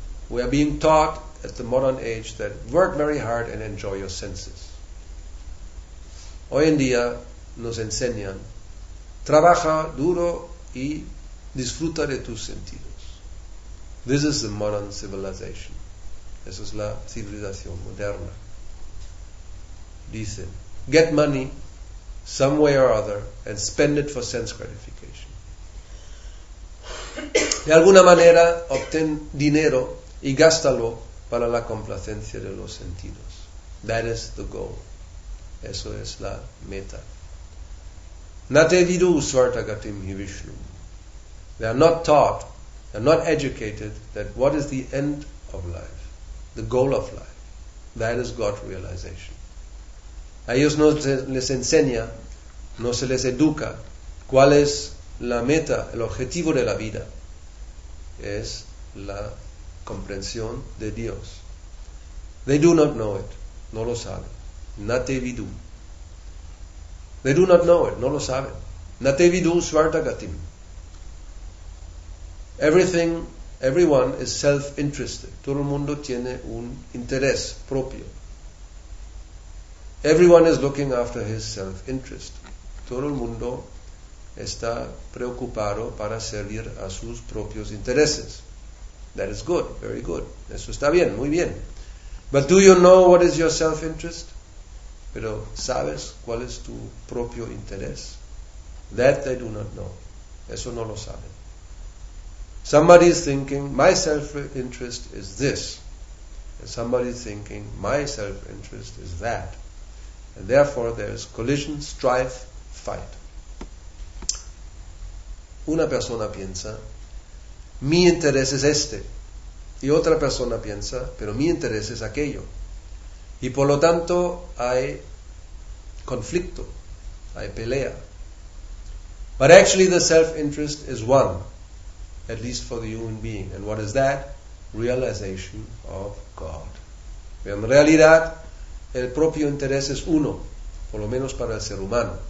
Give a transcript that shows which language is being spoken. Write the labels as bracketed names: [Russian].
[English] We are being taught at the modern age that work very hard and enjoy your senses. [Spanish] Hoy en día nos enseñan, trabaja duro y disfruta de tus sentidos. [English] This is the modern civilization. [Spanish] Esa es la civilización moderna. Dicen, [English] get money some way or other and spend it for sense gratification. [Spanish] De alguna manera obtén dinero y gástalo para la complacencia de los sentidos. [English] That is the goal. [Spanish] Eso es la meta. [Sanskrit] Nate vidu svartagatim hi Vishnu. [English] They are not taught, they are not educated, that what is the end of life, the goal of life. That is God realization. [Spanish] A ellos no se les enseña, no se les educa, cuál es la meta, el objetivo de la vida. Es la comprensión de Dios. [English] They do not know it. [Spanish] No lo saben. [Sanskrit] Nate vidu. [Spanish] They do not know it. No lo saben. [Sanskrit] Nate vidu svarta gatim. [English] Everything, everyone is self-interested. [Spanish] Todo el mundo tiene un interés propio. [English] Everyone is looking after his self-interest. [Spanish] Todo el mundo está preocupado para servir a sus propios intereses. [English] That is good, very good. [Spanish] Eso está bien, muy bien. [English] But do you know what is your self-interest? [Spanish] Pero ¿sabes cuál es tu propio interés? [English] That they do not know. [Spanish] Eso no lo saben. [English] Somebody is thinking, my self-interest is this. And somebody is thinking, my self-interest is that. And therefore there is collision, strife, fight. [Spanish] Una persona piensa, mi interés es este. Y otra persona piensa, pero mi interés es aquello. Y por lo tanto hay conflicto, hay pelea. [English] But actually the self-interest is one, at least for the human being. And what is that? Realization of God. [Spanish] En realidad, el propio interés es uno, por lo menos para el ser humano.